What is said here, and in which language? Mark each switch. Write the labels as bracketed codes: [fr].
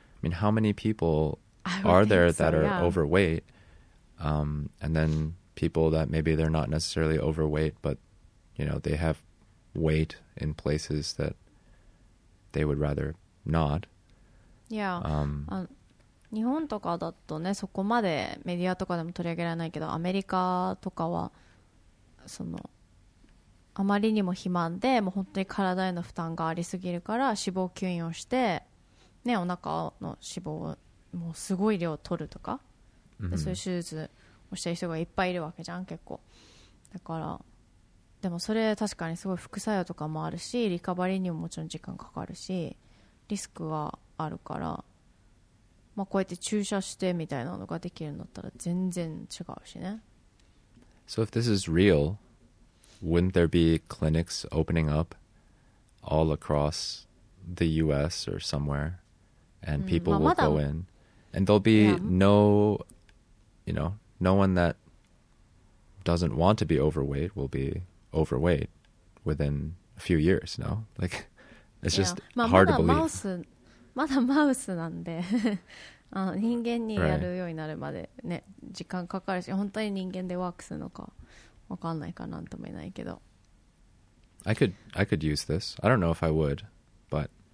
[en] I mean, how many people are there that are overweight? And then people that maybe they're not necessarily overweight, but, you know, they have weight in places that they would rather not. Yeah. [ja] 日本とかだとね、そこまでメディアとかでも取り上げられないけど、アメリカとかは、その、あまりにも肥満で、もう本当に体への負担がありすぎるから、脂肪吸引をして、ね、お腹の脂肪をもうすごい量取るとか、mm-hmm. でそういう手術をしてる人がいっぱいいるわけじゃん、結構。だからでもそれ確かにすごい副作用とかもあるし、リカバリーにももちろん時間かかるし、リスクはあるから、まあ、こうやって注射してみたいなのができるんだったら全然違うしね。 [en] So if this is real, wouldn't there be clinics opening up all across the US or somewhere, and people、まあ、will go in and there'll be、yeah. no, you know, no one that doesn't want to be overweight will bebe overweight within a few years, no? Like, it's just、yeah. まあ、hard to believe. [ja] まだマウスなんで あの人間にやるようになるまで、ね、時間かかるし、本当に人間でワークするのか分かんないかなんともいないけど。 [en] I could use this. I don't know if I would, but